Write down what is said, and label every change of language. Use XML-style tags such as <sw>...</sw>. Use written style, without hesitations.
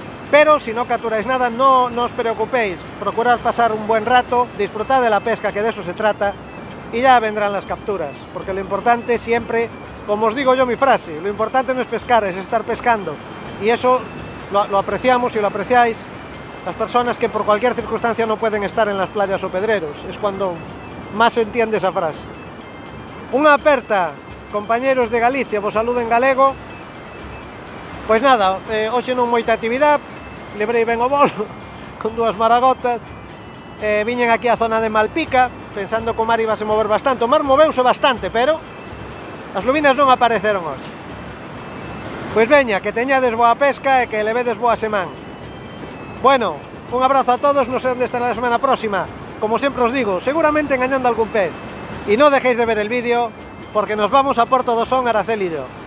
<es>Pero si no capturáis nada, no os preocupéis, procurad pasar un buen rato, disfrutad de la pesca, que de eso se trata, y ya vendrán las capturas, porque lo importante siempre, como os digo yo mi frase, lo importante no es pescar, es estar pescando, y eso lo apreciamos y lo apreciáis las personas que por cualquier circunstancia no pueden estar en las playas o pedreros, es cuando más se entiende esa frase. Una aperta, compañeros de Galicia,</es> <gl>vos saludo en galego. Pues nada, hoxe non moita actividad, librei ben o bolo con dúas maragotas, viñen aquí á zona de Malpica, pensando que o mar iba a se mover bastante, o mar moveuse bastante, pero as lubinas non apareceron hoxe. Pues veña, que teñades boa pesca e que levedes boa semana.</gl> <es>Bueno, un abrazo a todos, no sé dónde estará la semana próxima. Como siempre os digo, seguramente engañando algún pez. Y no dejéis de ver el vídeo, porque nos vamos a Puerto do Son, Araceli y yo.</es>